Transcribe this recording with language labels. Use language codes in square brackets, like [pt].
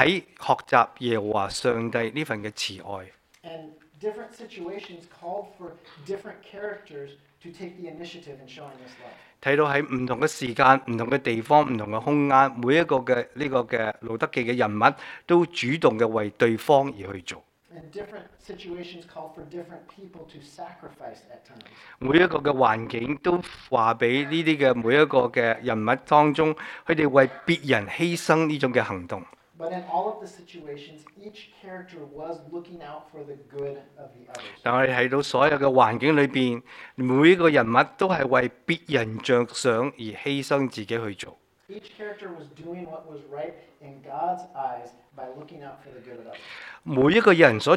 [yue] 嗱，呢个社群和谐嘅生活再出现嘅时候，因为路德记每一个嘅人物主角都显出喺学习耶和华上帝呢份嘅慈爱。 [en] And different situations called for different characters to take the initiative in showing this love. [yue] 睇到喺唔同嘅時間、唔同嘅地方、唔同嘅空間，每一個嘅呢個嘅路德記嘅人物都主動嘅為對方而去做。 [en] And different situations call for different people to sacrifice at times. [yue] 每一個嘅環境都話俾呢啲嘅每一個嘅人物當中，佢哋為別人犧牲呢種嘅行動。 [en] But in all of the situations, each character was looking out for the good of the others. [yue] 但我哋睇到所有嘅環境裏邊，每一個人物都係為別人著想而犧牲自己去做。 [en] Each character was doing what was right in God's eyes by looking out for the good of others.